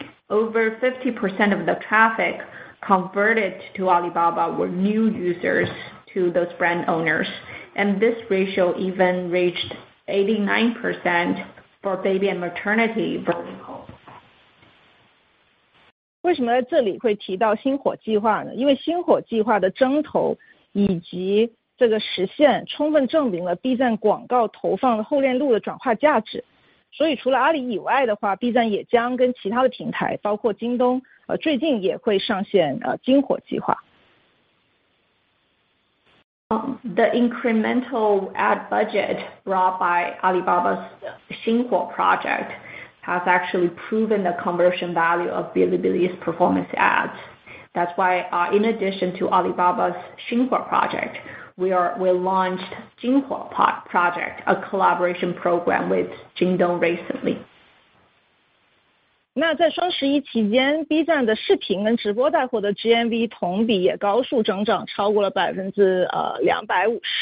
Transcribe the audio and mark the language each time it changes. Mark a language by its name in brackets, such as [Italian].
[English] Over 50% of the traffic converted to Alibaba were new users to those brand owners, and this ratio even reached 89% for baby and maternity vertical. [Chinese] 为什么在这里会提到星火计划呢？因为星火计划的征投以及这个实现充分证明了 B 站广告投放的后链路的转化价值。所以除了阿里以外的话， B 站也将跟其他的平台包括京东最近也会上线星火计划。 [English] The incremental ad budget brought by Alibaba's Xinhuo project has actually proven the conversion value of Bilibili's performance ads. That's why, in addition to Alibaba's Xinhuo project, we launched Jinghuo project, a collaboration program with Jingdong recently. [Chinese] 那在双十一期间 ，B站的视频跟直播带货的GMV同比也高速增长， 超过了250%。